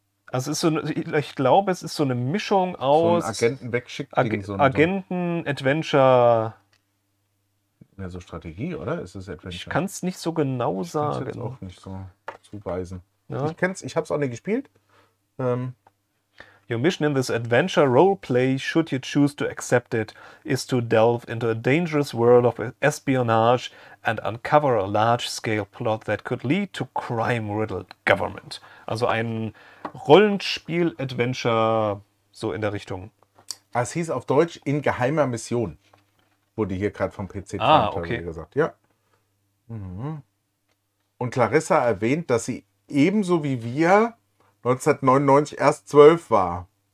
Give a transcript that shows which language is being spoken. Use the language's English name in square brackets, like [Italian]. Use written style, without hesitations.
[German] Also ist so eine, ich glaube, es ist so eine Mischung aus... So ein Agenten wegschickt gegen so einen Agenten-Adventure... Ja, so Strategie, oder? Ist es Adventure? Ich kann es nicht so genau sagen. Ich kann es jetzt auch nicht so zuweisen. Ja. Ich kenn's, ich habe es auch nicht gespielt. [English] Your mission in this adventure roleplay, should you choose to accept it, is to delve into a dangerous world of espionage and uncover a large-scale plot that could lead to crime-riddled government. [German] Also ein Rollenspiel-Adventure so in der Richtung. Es hieß auf Deutsch in geheimer Mission, wurde hier gerade vom PC gesagt. Ja. Und Clarissa erwähnt, dass sie ebenso wie wir 1999 erst 12 war.